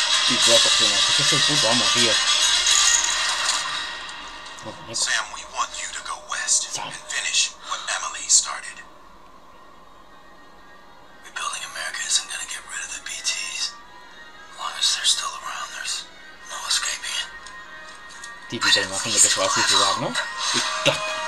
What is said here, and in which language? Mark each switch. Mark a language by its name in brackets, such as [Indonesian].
[Spanish] Y yo cogiendo, es que es el puto amo, tío. [English] Sam, we want you to go west and finish what Emily started. Rebuilding America isn't gonna get rid of the BTs. As long as they're still around, there's no escaping it. [Spanish] Típica imagen de que se va a suicidar, ¿no? Y ¡tac!